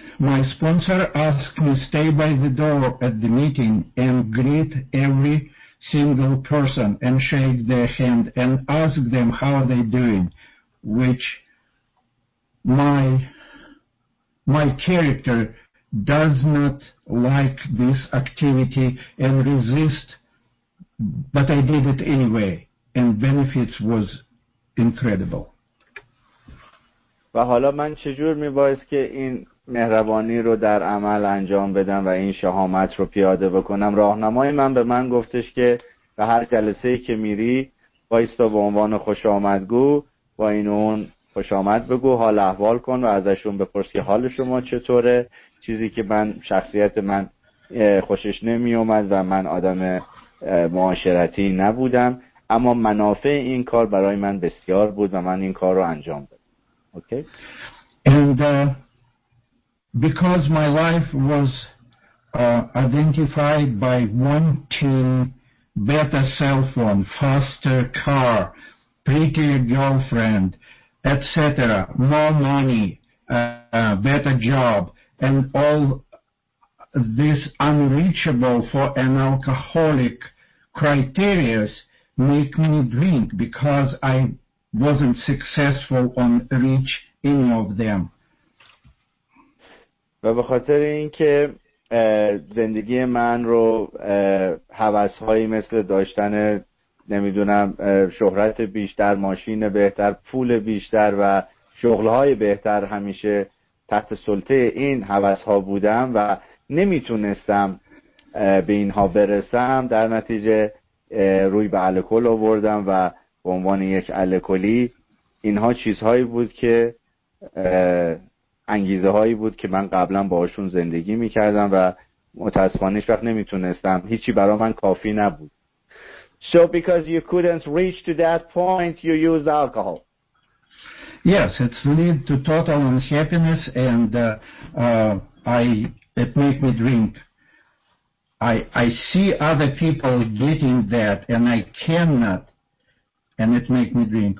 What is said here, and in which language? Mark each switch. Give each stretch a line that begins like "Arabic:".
English: My sponsor asked me to stay by the door at the meeting and greet every single person and shake their hand and ask them how are they doing, which my character does not like this activity and resist, but I did it anyway, and benefits was incredible.
Persian: و حالا من چجور میبایست که این مهربانی رو در عمل انجام بدم و این شهامت رو پیاده بکنم؟ راهنمای من به من گفتش که به هر جلسه که میری وایستا به عنوان خوش آمدگو با این اون خوش آمد بگو، حال احوال کن و ازشون بپرس که حال شما چطوره. چیزی که من شخصیت من خوشش نمی اومد و من آدم معاشرتی نبودم، اما منافع این کار برای من بسیار بود و من این کار رو انجام دادم.
English: Okay. And because my life was identified by wanting better cell phone, faster car, prettier girlfriend, etc., more money, better job, and all this unreachable for an alcoholic criterias make me drink because I wasn't successful on reach any of them.
Persian: و به خاطر اینکه زندگی من رو هوس‌هایی مثل داشتن نمیدونم شهرت بیشتر، ماشین بهتر، پول بیشتر و شغل‌های بهتر همیشه تحت سلطه این هوس‌ها بودم و نمیتونستم به اینها برسم، در نتیجه روی به الکل آوردم و به عنوان یک الکلی اینها چیزهایی بود که انگیزه هایی بود که من قبلا باهاشون زندگی میکردم و متاسفانه هیچ وقت نمیتونستم، هیچی برای من کافی نبود.
English: So because you couldn't reach to that point, you used alcohol. Yes, it's lead to total unhappiness and it make me drink. I see other people getting that and I cannot, and it makes me drink.